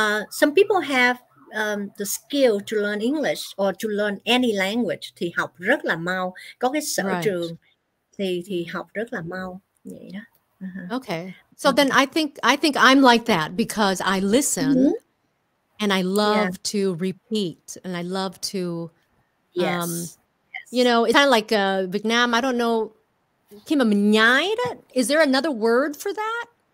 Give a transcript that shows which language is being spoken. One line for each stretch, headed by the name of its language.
English: Some people have the skill to learn English or to learn any language.
Vietnamese: Thì học rất là mau. Có cái sở trường thì học rất là mau. Vậy đó.
English: Okay. So then I think I'm like that because I listen and I love to repeat and I love to you know, it's kind of like Vietnam, I don't know,
Vietnamese: khi mà mình nhai đó,
English: is there another word for that?